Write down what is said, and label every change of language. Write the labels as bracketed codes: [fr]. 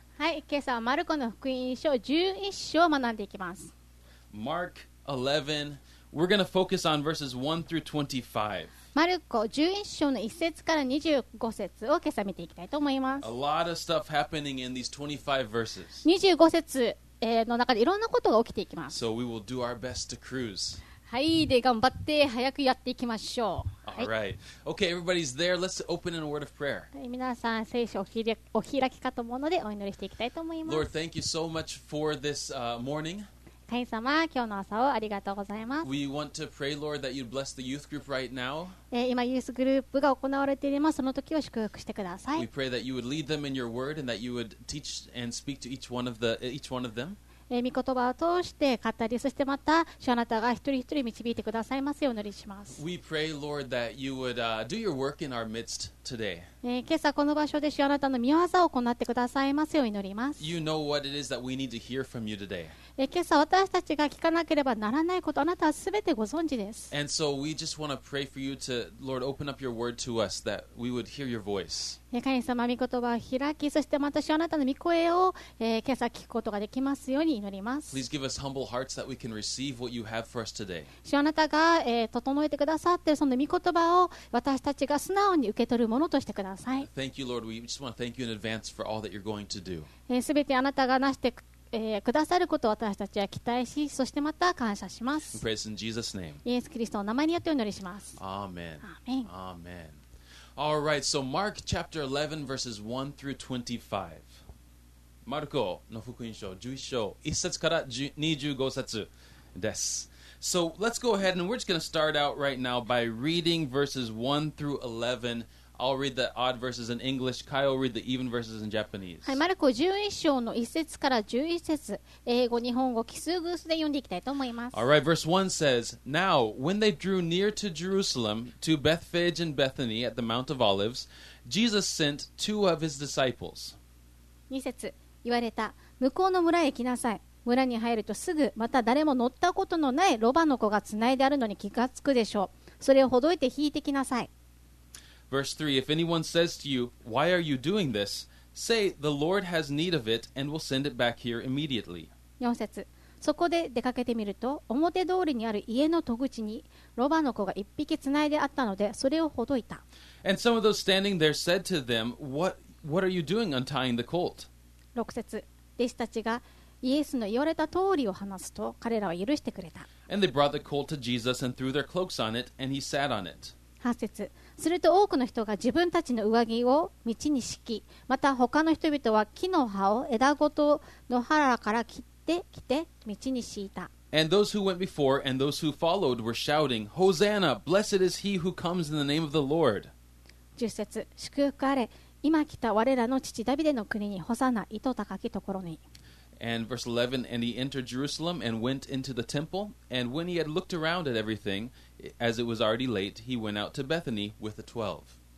[ja] はい、今朝はマルコの福音書11章を学んでいきます。 [en] Mark 11, we're going to focus on verses 1 through 25. [ja] マルコ11章の1節から25節を今朝見ていきたいと思います。 [en] A lot of stuff happening in these 25 verses. [ja] 25節の中でいろんなことが起きていきます。 [en] So we will do our best to cruise. [ja] はい、で頑張って早くやっていきましょう。 [en] All right. Okay, everybody's there. Let's open in a word of prayer. [ja] 皆さん、聖書お開きかと思うのでお祈りしていきたいと思います。 [en] Lord, thank you so much for this morning. [ja] 神様、今日の朝をありがとうございます。 [en] We want to pray, Lord, that you'd bless the youth group right now. [ja] 今、ユースグループが行われています。その時を祝福してください。 [en] We pray that you would lead them in your word and that you would teach and speak to each one of them. [ja] 御言葉を通して語り、そしてまた主あなたが一人一人導いてくださいますようお祈りします。 [en] We pray, Lord, that you would do your work in our midst today. [ja] 今朝この場所で主あなたの御業を行ってくださいますようお祈ります。 [en] You know what it is that we need to hear from you today. [ja] 今朝私たちが聞かなければならないこと、あなたはすべてご存知です。 [en] And so we just want to pray for you to, Lord, open up your word to us that we would hear your voice. [ja] 神様、御言葉を開き、そしてまた私はあなたの御声を、今朝聞くことができますように祈ります。 [en] Please give us humble hearts that we can receive what you have for us today. [ja] 主あなたが、整えてくださっているその御言葉を私たちが素直に受け取るものとしてください。 [en] Thank you, Lord. We just want to thank you in advance for all that you're going to do. [ja] 全てあなたが成してくださることを私たちは期待し、そしてまた感謝します。 [en] We praise in Jesus' name. [ja] イエス・キリストの名前によってお祈りします。 [en] Amen. Amen. Amen. All right, so Mark chapter 11, verses 1 through 25. [ja] Marco の福音書11章1節から25節です。 [en] So let's go ahead and we're just going to start out right now by reading verses 1 through 11. I'll read the odd verses in English. Kyle will read the even verses in Japanese. [ja] はい、マルコ11章の1節から11節、英語、日本語、奇数偶数で読んでいきたいと思います。 [en] All right, verse 1 says, Now, when they drew near to Jerusalem, to Bethphage and Bethany at the Mount of Olives, Jesus sent two of his disciples. [ja] 2節、言われた、向こうの村へ来なさい。村に入るとすぐ、また誰も乗ったことのないロバの子がつないであるのに気がつくでしょう。それをほどいて引いてきなさい。 [en] Verse 3, if anyone says to you, why are you doing this? Say, the Lord has need of it and will send it back here immediately. [ja] 4節、そこで出かけてみると、表通りにある家の戸口にロバの子が一匹つないであったので、それをほどいた。 [en] And some of those standing there said to them, what are you doing untying the colt? [ja] 6節、弟子たちがイエスの言われた通りを話すと、彼らは許してくれた。 [en] And they brought the colt to Jesus and threw their cloaks on it, and he sat on it. [ja] 8節、すると多くの人が自分たちの上着を道に敷き、また他の人々は木の葉を枝ごと野原から切ってきて道に敷いた。 [en] And those who went before and those who followed were shouting, Hosanna, blessed is he who comes in the name of the Lord. [ja] 10節、祝福あれ、今来た我らの父ダビデの国にホサナ、いと高きところに。 [en] And verse 11, and he entered Jerusalem and went into the temple. And when he had looked around at everything, as it was already late, he went out to Bethany with the 12.